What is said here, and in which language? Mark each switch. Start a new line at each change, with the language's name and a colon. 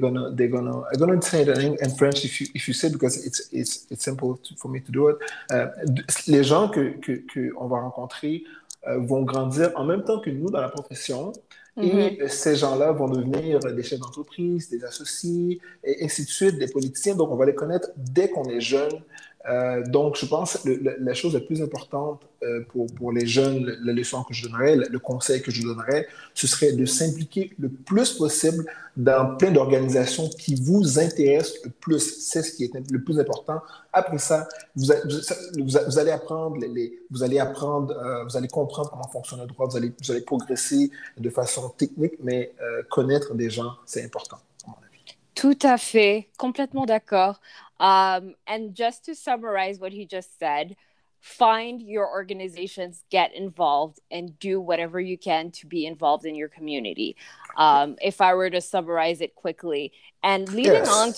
English: They're gonna say that in French if you say, because it's simple for me to do it.
French: Les gens que on va rencontrer vont grandir en même temps que nous dans la profession. Et mm-hmm. ces gens-là vont devenir des chefs d'entreprise, des associés, et ainsi de suite, des politiciens. Donc, on va les connaître dès qu'on est jeune. Donc, je pense que la chose la plus importante pour les jeunes, la leçon que je donnerais, le conseil que je donnerais, ce serait de s'impliquer le plus possible dans plein d'organisations qui vous intéressent le plus. C'est ce qui est le plus important. Après ça, vous allez apprendre, vous allez comprendre comment fonctionne le droit, vous allez progresser de façon technique, mais connaître des gens, c'est important. Tout à fait, complètement d'accord.
English: And just to summarize what he just said, find your organizations, get involved, and do whatever you can to be involved in your community. If I were to summarize it quickly, and leading yes.